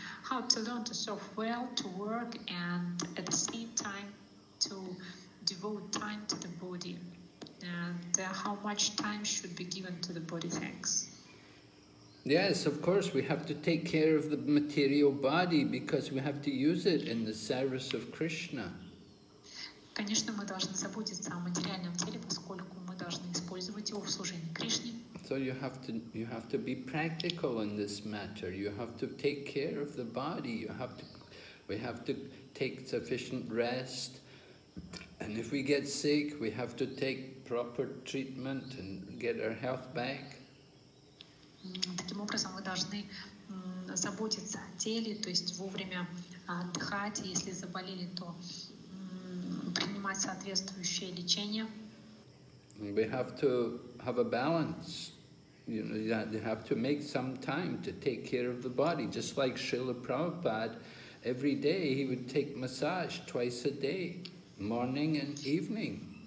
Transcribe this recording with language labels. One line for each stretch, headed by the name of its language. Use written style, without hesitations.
English: How to learn to serve well, to work, and at the same time to devote time to the body? And how much time should be given to the body? Thanks. Yes, of course, we have to take care of the material body because we have to use it in the service of Krishna.
Russian: Конечно, мы должны заботиться о материальном теле, поскольку мы должны использовать его в служении Кришне.
English: So you have to be practical in this matter. You have to take care of the body. We have to take sufficient rest. And if we get sick, we have to take proper treatment and get our health back.
Russian: Таким образом, мы должны заботиться о теле, то есть вовремя отдыхать, если заболели, то принимать соответствующее лечение.
English: We have to have a balance. You know, you have to make some time to take care of the body, just like Srila Prabhupada. Every day he would take massage twice a day, morning and evening.